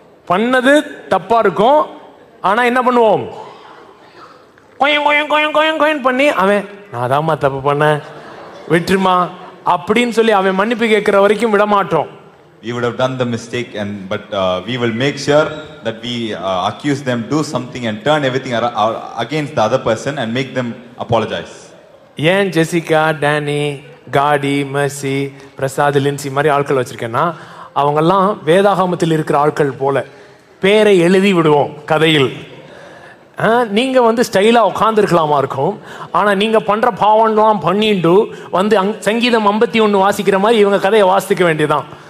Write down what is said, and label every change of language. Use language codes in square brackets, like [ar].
[ta] பண்ணது தப்பா இருக்கும், ஆனா என்ன பண்ணுவோம், கோயம் கோயம் கோயம் பண்ணி அவன் நான் தான்மா தப்பு பண்ண விட்டுருமா அப்படின்னு சொல்லி அவன் மன்னிப்பு கேட்கிற வரைக்கும் விட மாட்டோம். [en] We would have done the mistake and but we will make sure that we accuse them, do something and turn everything against the other person and make them apologize. [ta] ஏன் ஜெசிகா, டானி, காடி, Mercy, Prasad, Lincy மாதிரி ஆட்கள் வச்சிருக்கேன்னா அவங்கெல்லாம் வேதாகமத்தில் இருக்கிற ஆட்கள் போல பேரை எழுதி விடுவோம் கதையில். நீங்க வந்து ஸ்டைலாக உட்காந்துருக்கலாமா இருக்கும், ஆனால் நீங்க பண்ற பாவம்லாம் பண்ணிட்டு வந்து சங்கீதம் 51 வாசிக்கிற மாதிரி இவங்க கதையை வாசிக்க வேண்டியதான்.